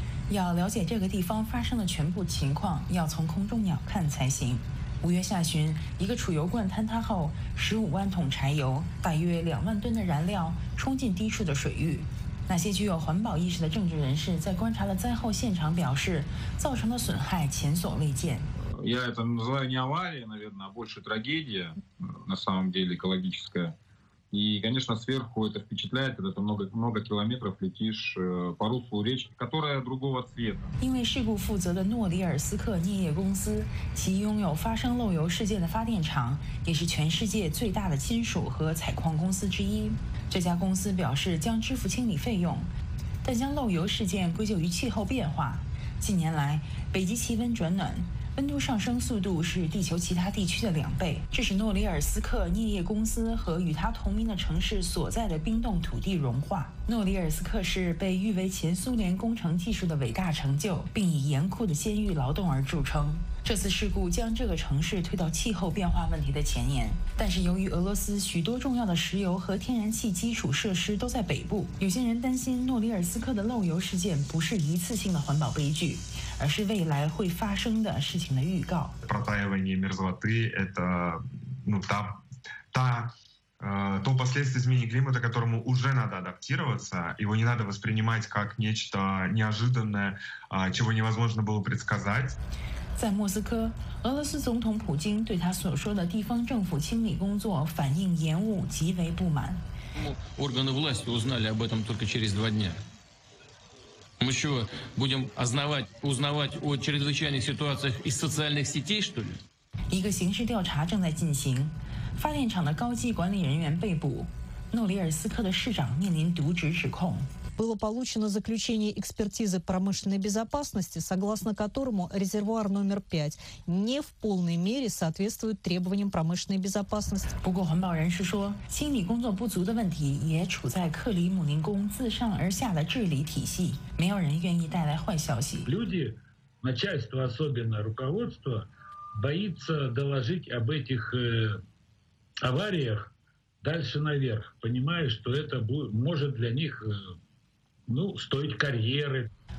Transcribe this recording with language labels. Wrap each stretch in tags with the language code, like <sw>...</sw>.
<zh>要了解这个地方发生的全部情况，要从空中鸟瞰才行。五月下旬，一个储油罐坍塌后，15万桶柴油，大约20,000吨的燃料冲进低处的水域。那些具有环保意识的政治人士在观察了灾后现场表示，造成的损害前所未见。</zh> <ru>Я это называю не аварией, наверное, а больше трагедия, на самом деле экологическая. И, конечно, сверху это впечатляет, это много километров летишь по руслу речки, которая другого цвета.</ru> <zh>因为事故负责的诺里尔斯克镍业公司，其拥有发生漏油事件的发电厂，也是全世界最大的金属和采矿公司之一。这家公司表示将支付清理费用，但将漏油事件归咎于气候变化。近年来，北极气温转暖。温度上升速度是地球其他地区的两倍，这使诺里尔斯克镍业公司和与它同名的城市所在的冰冻土地融化。诺里尔斯克市被誉为前苏联工程技术的伟大成就，并以严酷的监狱劳动而著称。这次事故将这个城市推到气候变化问题的前沿，但是由于俄罗斯许多重要的石油和天然气基础设施都在北部，有些人担心诺里尔斯克的漏油事件不是一次性的环保悲剧，而是未来会发生的事情的预告。</zh> <ru>Протаивание мерзлоты – это то последствие изменения климата, к которому уже надо адаптироваться, его не надо воспринимать как нечто неожиданное, чего невозможно было предсказать.</ru> <zh>在莫斯科，俄罗斯总统普京对他所说的地方政府清理工作反应延误极为不满。</zh> <ru>Органы власти узнали об этом только через 2 дня. Мы что, будем узнавать о чрезвычайных ситуациях из социальных сетей, что ли?</ru> <zh>一个刑事调查正在进行，发电厂的高级管理人员被捕，诺里尔斯克的市长面临渎职指控。</zh> <ru>было получено заключение экспертизы промышленной безопасности, согласно которому резервуар номер 5 не в полной мере соответствует требованиям промышленной безопасности.</ru> <zh>不过环保人士说，清理工作不足的问题也处在克里姆林宫自上而下的治理体系，没有人愿意带来坏消息。</zh> <ru>Люди, начальство, особенно руководство, боится доложить об этих авариях дальше наверх, понимая, что это может для них стоить карьеры.</ru>